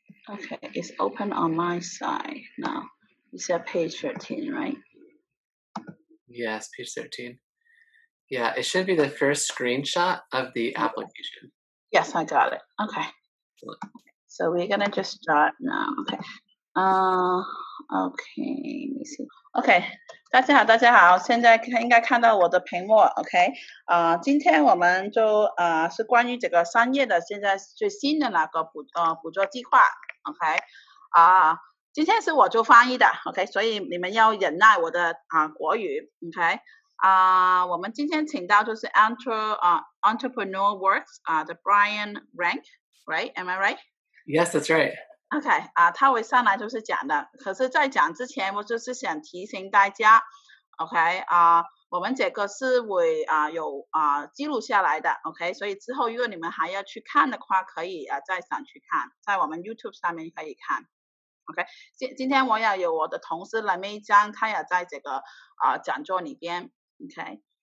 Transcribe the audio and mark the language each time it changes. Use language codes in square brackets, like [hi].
[en] Okay, it's open on my side now. You said page 13, right? Yes, page 13. Yeah, it should be the first screenshot of the application. Yes, I got it. Okay. So we're gonna just start now. Okay. Okay, let me see. [zh] Okay, 大家好，现在应该看到我的屏幕。 OK， 今天我们就是关于这个商业的现在最新的那个补助计划。 OK， 今天是我做翻译的。OK， 所以你们要忍耐我的国语。 OK， 我们今天请到就是 Entrepreneur Works 的 Brian Rank，right？ [en] Am I right？Yes, that's right. [zh] OK, 他会上来就是讲的，可是在讲之前我就是想提醒大家 ,OK, 我们这个是会有记录下来的 ,OK, 所以之后如果你们还要去看的话可以再上去看，在我们 YouTube 上面可以看 ,OK, 今天我也有我的同事雷美章，他也在这个讲座里边 ,OK,